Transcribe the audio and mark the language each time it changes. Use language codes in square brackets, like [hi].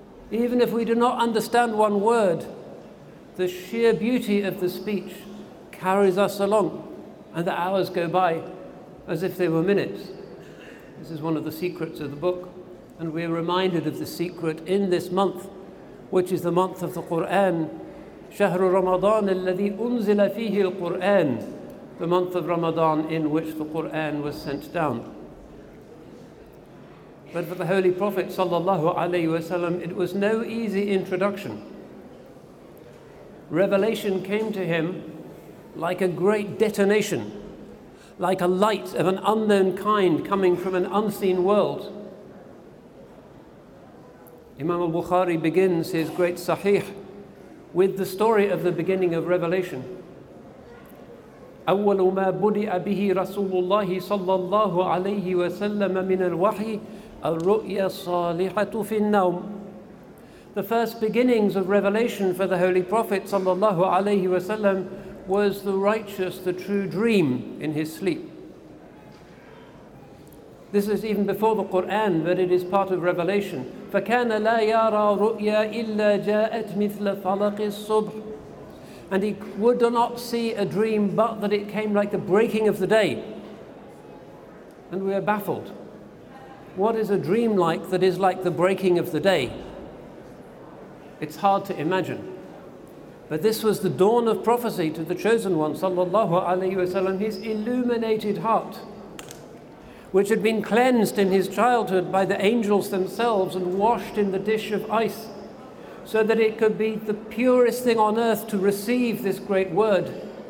[en] Even if we do not understand one word, the sheer beauty of the speech carries us along, and the hours go by as if they were minutes. This is one of the secrets of the book, and we are reminded of the secret in this month, which is the month of the Qur'an. [ar] شهر رمضان الذي أنزل فيه القرآن. [en] The month of Ramadan in which the Qur'an was sent down. But for the Holy Prophet sallallahu alaihi wasallam, it was no easy introduction. Revelation came to him like a great detonation, like a light of an unknown kind coming from an unseen world. Imam al-Bukhari begins his great Sahih with the story of the beginning of revelation. [ar] أول ما بدأ به رسول الله صلى الله عليه وسلم من الوحي الرؤيا الصالحة في النوم. [en] The first beginnings of revelation for the Holy Prophet صلى الله عليه وسلم was the righteous, the true dream in his sleep. This is even before the Quran, but it is part of revelation. [ar] فكان لا يرى رؤيا إلا جاءت مثل فلق الصبح. [en] And he would not see a dream but that it came like the breaking of the day. And we are baffled. What is a dream like that is like the breaking of the day? It's hard to imagine. But this was the dawn of prophecy to the chosen one, sallallahu alayhi wa sallam, his illuminated heart, which had been cleansed in his childhood by the angels themselves and washed in the dish of ice, so that it could be the purest thing on earth to receive this great word.